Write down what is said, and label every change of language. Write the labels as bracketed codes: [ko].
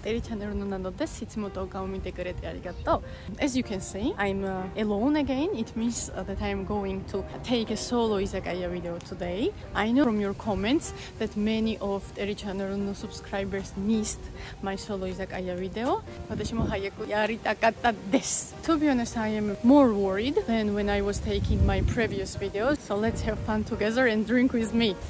[ja] テリちゃんねるのナノです。いつも動画を見てくれてありがとう。 [en] As you can see, I'm alone again. It means that I'm going to take a solo 居酒屋 video today. I know from your comments that many of テリちゃんねるの subscribers missed my solo 居酒屋 video. [ja] 私も早くやりたかったです。 [en] To be honest, I am more worried than when I was taking my previous video. So let's have fun together and drink with me.